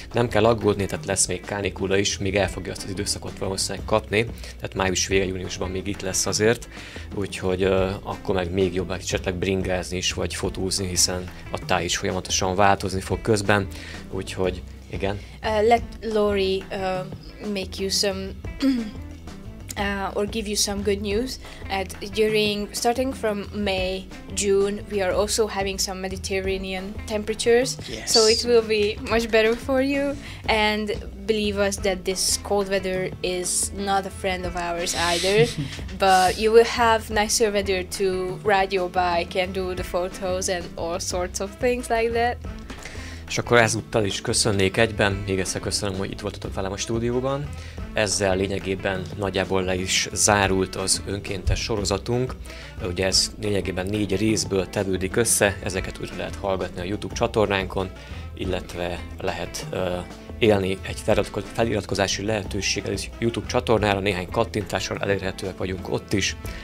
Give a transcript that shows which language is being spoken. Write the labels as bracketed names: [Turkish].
[Hungarian] Nem kell aggódni, tehát lesz még kánikula is, még el fogja azt az időszakot valószínűleg kapni, tehát május vége júniusban még itt lesz azért, úgyhogy akkor meg még jobb esetleg bringázni is, vagy fotózni, hiszen a táj is folyamatosan változni fog közben, úgyhogy igen. [English] Let Lori make you some or give you some good news. And starting from May, June, we are also having some Mediterranean temperatures. Yes. So it will be much better for you. And believe us that this cold weather is not a friend of ours either. But you will have nicer weather to ride your bike and do the photos and all sorts of things like that. [Hungarian] És akkor ezúttal is köszönnék egyben, még egyszer köszönöm, hogy itt voltatok velem a stúdióban. Ezzel lényegében nagyjából le is zárult az önkéntes sorozatunk. Ugye ez lényegében négy részből tevődik össze, ezeket úgy lehet hallgatni a YouTube csatornánkon, illetve lehet élni egy feliratkozási lehetőséggel is YouTube csatornára, néhány kattintással elérhetőek vagyunk ott is.